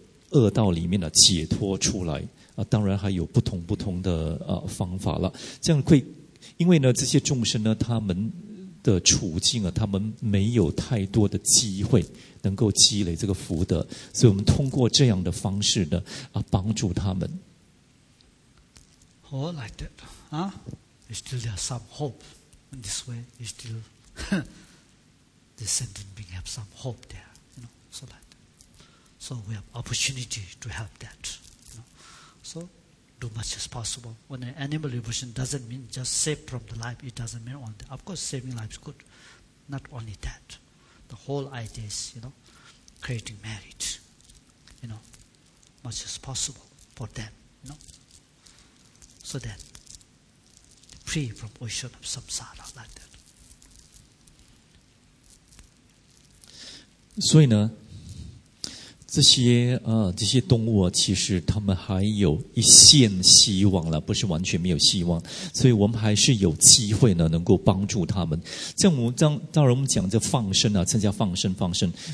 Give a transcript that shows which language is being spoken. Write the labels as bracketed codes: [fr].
[zh] 恶道里面呢解脱出来啊。当然还有不同的方法了。这样会因为呢这些众生呢，他们 的处境啊，他们没有太多的机会能够积累这个福德，所以我们通过这样的方式呢，帮助他们。 [en] Oh, like that, huh? There's still some hope. In this way, you still the sentient being have some hope there, you know, so like that. So we have opportunity to help that, you know. So do much as possible. When an animal liberation doesn't mean just save from the life, it doesn't mean only that. Of course, saving life is good. Not only that. The whole idea is, you know, creating merit, you know, much as possible for them, you know. So that free from ocean of samsara, like that. [zh] 所以呢, 这些动物啊，其实他们还有一线希望了，不是完全没有希望。所以我们还是有机会呢，能够帮助他们。像我们当然我们讲这放生啊，参加放生放生，